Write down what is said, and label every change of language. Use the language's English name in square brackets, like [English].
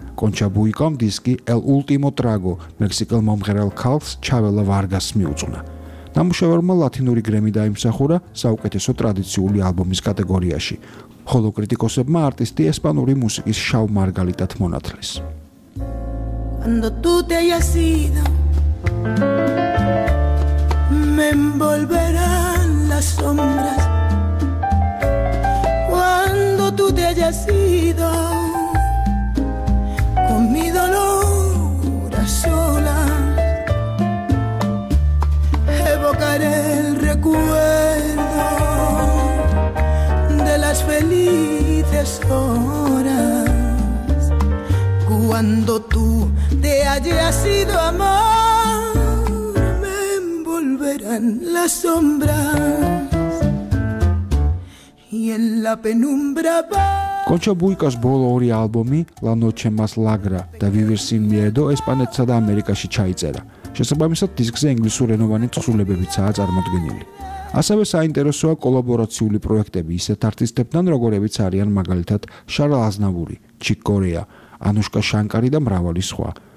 [Georgian] კონჩა ბუიკამ დისკი ელ ულტიმო ტრაგო მექსიკელ მომღერალ ქალს ჩაველა ვარგას მიუძღვნა. ნამუშევარმა ლათინური გრემი დაიმსახურა საუკეთესო ტრადიციული ალბომის კატეგორიაში, ხოლო კრიტიკოსებმა არტისტი ესპანური მუსიკის შავ მარგალიტად მონათლეს. [Spanish] Cuando tú te hayas ido, me envolverán las sombras. Cuando tú te hayas ido, con mi dolor a solas, evocaré el recuerdo de las felices horas. Cuando tú te hayas ido, amor, me envolverán las sombras y en la penumbra va. [Georgian] კონჩა ბუიკას ბოლო ორი ალბომი La Noche Más Lagra და Vivir Sin Miedo ესპანეთსა და ამერიკაში ჩაიწერა. შესაბამისად დისკზე ინგლისურენოვანი თხზულებებიცაა წარმოდგენილი. ასევე საინტერესოა კოლაბორაციული პროექტები ისეთ არტისტებთან, როგორებიც არიან მაგალითად შარლ აზნავური, ჩიკ კორეა, ანუშკა შანკარი და მრავალი სხვა.